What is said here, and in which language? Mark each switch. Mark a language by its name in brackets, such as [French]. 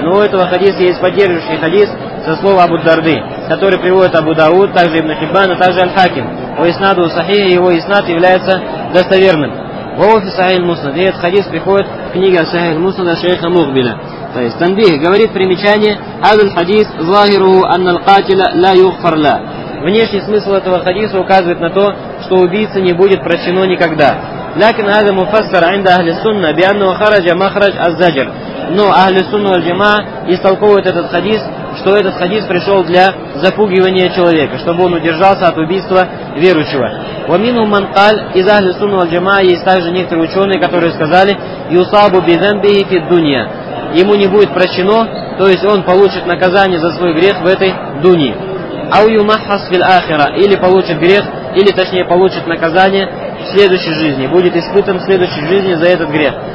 [Russian] Но у этого хадиса есть поддерживающий хадис со слов Абу Дарды, который приводит Абу Дауд, также Ибн Хиббан, а также Аль-Хаким. [Arabic] У иснаду сахих, [Russian] его иснад является достоверным. [Arabic] وهو في صحيح المسند. [Russian] И этот хадис приходит в книге صحيح المسند шейха Мухбиля. То есть [Arabic] تنبيه, [Russian] говорит примечание: [Arabic] هذا الحديث ظاهره أن القاتل لا يغفر له. [Russian] Внешний смысл этого хадиса указывает на то, что убийца не будет прощено никогда. [Arabic] لكن هذا مفسر عند أهل السنة بأنه خرج مخرج الزجر. [Russian] Но أهل السنة والجماعة истолковывают этот хадис, что этот хадис пришел для запугивания человека, чтобы он удержался от убийства верующего. [Arabic] ومن من قال [Russian] из أهل السنة والجماعة есть также некоторые ученые, которые сказали: [Arabic] يصابوا بذنبه في الدنيا. [Russian] Ему не будет прощено, то есть он получит наказание за свой грех в этой дунии. [Arabic] أو يمحص في الآخرة, [Russian] или получит грех, или точнее получит наказание в следующей жизни, будет испытан в следующей жизни за этот грех.